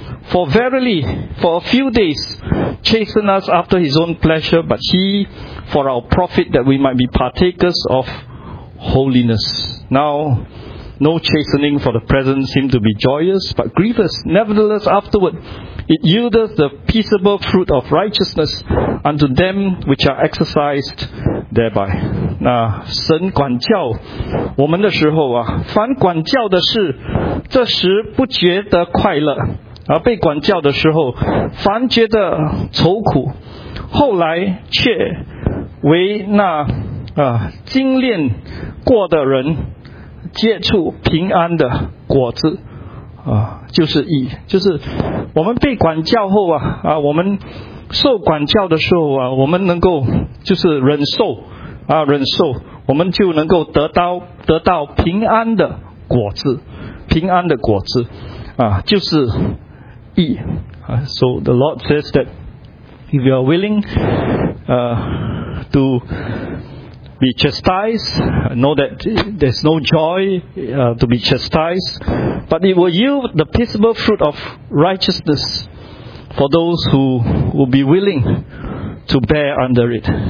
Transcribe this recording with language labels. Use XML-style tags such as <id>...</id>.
<en>For verily, for a few days chasten us after his own pleasure, but he for our profit, that we might be partakers of holiness. Now, No chastening for the present seemed to be joyous, but grievous. Nevertheless, afterward, it yieldeth the peaceable fruit of righteousness unto them which are exercised thereby.</en> <zh>那神管教我们的时候啊，凡管教的事，这时不觉得快乐；而被管教的时候，凡觉得愁苦，后来却为那精炼过的人结出平安的果子。就是我们被管教后我们受管教的时候我们能够就是忍受，我们就能够得到平安的果子，平安的果子就是义。</zh> <en>So the Lord says that if you are willing to be chastised, know that there's no joy to be chastised, but it will yield the peaceable fruit of righteousness for those who will be willing to bear under it.</en>